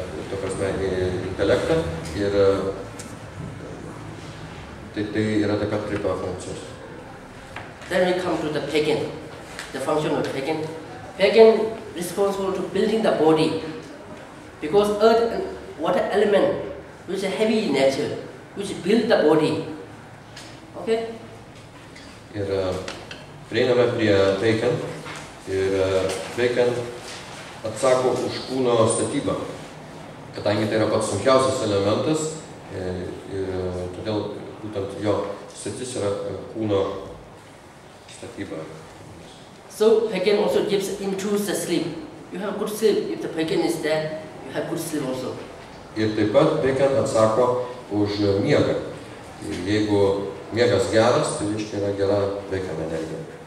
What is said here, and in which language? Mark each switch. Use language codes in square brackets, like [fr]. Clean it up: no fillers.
[lt] To prasme, intelektą ir tai yra taip pat tripa funkcijos. [en] Then we come to the pagan, the function of pagan. Pagan responsible to building the body, because earth and water element, which is heavy in nature, which build the body. Okay? [lt] Ir prieiname prie pagan ir pagan atsako už kūno statybą, kadangi tai yra pats sunkiausias elementas, ir todėl būtent jo statys yra kūno statyba. [en] So pagan also gives improves the sleep. You have good sleep. If the pagan is there, you have good sleep also. [lt] Ir taip pat pagan atsako už miegą. Jeigu miegas geras, tai reiškia yra gera pagan energija.